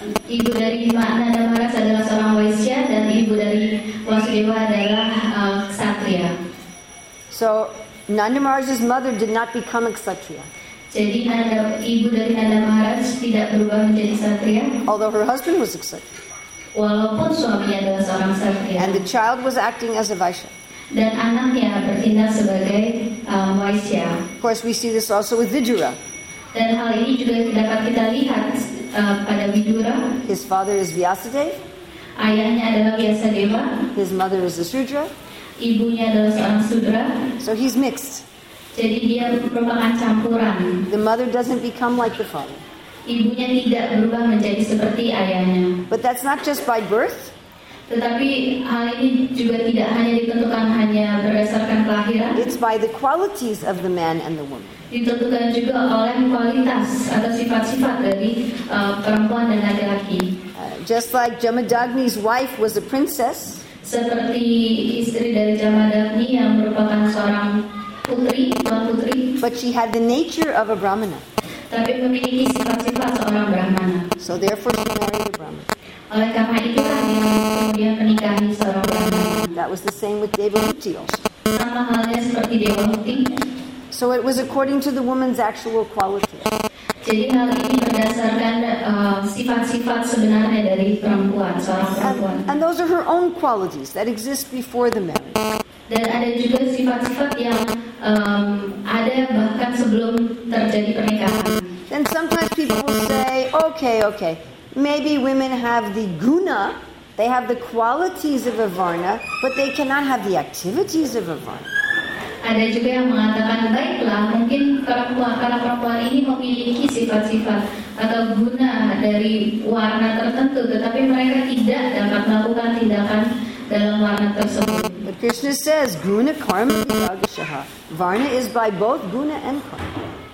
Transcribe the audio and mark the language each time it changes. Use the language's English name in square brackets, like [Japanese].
[Indonesian] Ibu dari Nanda Maharaj adalah seorang Vaisya dan ibu dari Vasudeva adalah Kshatriya. [English] So Nanda Maharaj's mother did not become a Kshatriya. [Indonesian] Jadi Nanda, ibu dari Nanda Maharaj tidak berubah menjadi Kshatriya. [English] Although her husband was a Kshatriya. [Indonesian] Walaupun suaminya adalah seorang Kshatriya. [English] And the child was acting as a Vaisya. [Indonesian] Dan anaknya bertindak sebagai Vaisya. [English] Of course we see this also with Vidura. [Indonesian] Dan hal ini juga dapat kita lihat pada Vidura. [English] His father is Vyasadeva. [Indonesian] Ayahnya adalah Vyasadeva. [English] His mother is a Shudra. [Indonesian] Ibunya adalah seorang Shudra. [English] So he's mixed. [Indonesian] Jadi dia merupakan campuran. [English] The mother doesn't become like the father. [Indonesian] Ibunya tidak berubah menjadi seperti ayahnya. [English] But that's not just by birth. [Indonesian] Tetapi hal ini juga tidak hanya ditentukan hanya berdasarkan kelahiran. [English] It's by the qualities of the man and the woman. [Indonesian] Ditentukan juga oleh kualitas atau sifat-sifat dari perempuan dan laki-laki. [English] Just like Jamadagni's wife was a princess. [Indonesian] Seperti istri dari Jamadagni yang merupakan seorang putri, tuan putri. [English] But she had the nature of a Brahmana. [Indonesian] Tapi memiliki sifat-sifat seorang Brahmana. [English] So therefore she married a Brahmana. [Indonesian] Oleh karena itulah dia kemudian menikahi seorang Brahmana. [English] That was the same with Devahuti also. [Indonesian] Sama halnya seperti Devahuti. [English] So it was according to the woman's actual quality. [Indonesian] Jadi hal ini berdasarkan sifat-sifat sebenarnya dari perempuan, seorang perempuan. [English] And those are her own qualities that exist before the men. [Indonesian] Dan ada juga sifat-sifat yang ada bahkan sebelum terjadi pernikahan. [English] And sometimes people will say, okay, maybe women have the guna, they have the qualities of a varna, but they cannot have the activities of a varna. [Indonesian] Ada juga yang mengatakan, baiklah, mungkin perempuan ini memiliki sifat-sifat atau guna dari warna tertentu, tetapi mereka tidak dapat melakukan tindakan dalam warna tersebut. [English] But Krishna says, [Sanskrit] guna karma vibhagshaha. [English] Varna is by both guna and karma.